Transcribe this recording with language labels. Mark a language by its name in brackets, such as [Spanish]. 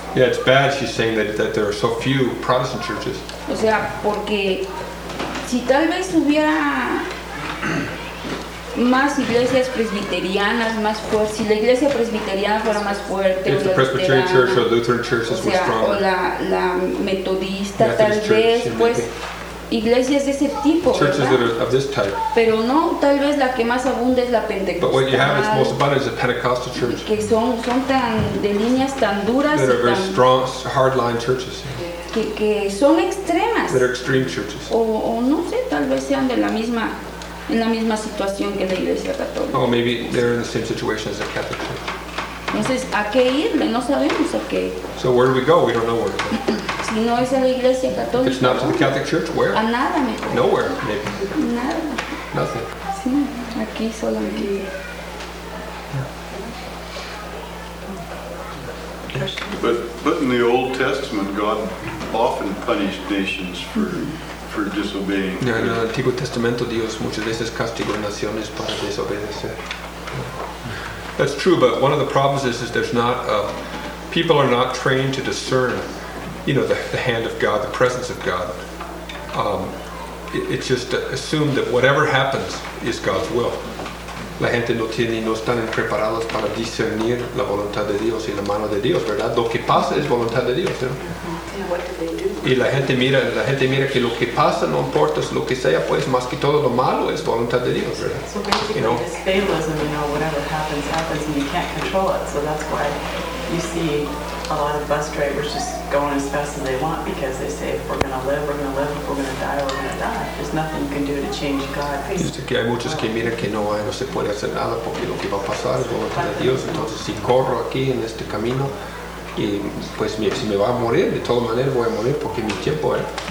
[English] Yeah, it's bad, she's saying that there are so few Protestant churches. [Spanish] O sea, porque si tal vez hubiera más iglesias presbiterianas más fuertes, si la iglesia presbiteriana fuera más fuerte, [English] if the Presbyterian Church or Lutheran churches were stronger. [Spanish] O la metodista, tal [English] Methodist [Spanish] vez, [English] church, [Spanish] pues iglesias de ese tipo, [English] churches [Spanish] ¿verdad? [English] That are of this type. [Spanish] Pero no, tal vez la que más abunda es la pentecostal. [English] But what you have is most abundant is the Pentecostal church. [Spanish] Que son tan de líneas tan duras. [English] That are very strong, hard-line churches. [Spanish] Que son extremas. [English] That are extreme churches. [Spanish] O no sé, tal vez sean de la misma situación que la Iglesia Católica. [English] Oh, maybe they're in the same situation as the Catholic Church. [Spanish] Entonces, ¿a qué irle? No sabemos a qué. [English] So where do we go? We don't know where to go. [Spanish] Si no es a la Iglesia Católica. [English] If it's not to the Catholic Church, where? [Spanish] A nada mejor. [English] Nowhere, maybe. [Spanish] Nada. [English] Nothing. [Spanish] Sí, aquí solo aquí. [English] But in the Old Testament, God often punished nations for disobeying. [Spanish] Yeah, en el Antiguo Testamento, Dios muchas veces castigó naciones para desobedecer. [English] That's true, but one of the problems is there's not people are not trained to discern, you know, the hand of God, the presence of God. It's just assumed that whatever happens is God's will. [Spanish] La gente no están preparados para discernir la voluntad de Dios y la mano de Dios, ¿verdad? Lo que pasa es voluntad de Dios, ¿verdad? ¿No? Y la gente mira que lo que pasa, no importa lo que sea, pues más que todo lo malo es voluntad de Dios, ¿verdad? [English] So basically, you know? This fatalism, you know, whatever happens, happens, and you can't control it. So that's why you see a lot of bus drivers just going as fast as they want, because they say, if we're going to live, we're going to live, if we're going to die, we're going to die. There's nothing you can do to change God. [Spanish] Dice que hay muchos que miran que no hay, no se puede hacer nada, porque lo que va a pasar es voluntad de Dios. Entonces, si corro aquí en este camino, y pues si me va a morir, de todas maneras voy a morir porque mi tiempo es.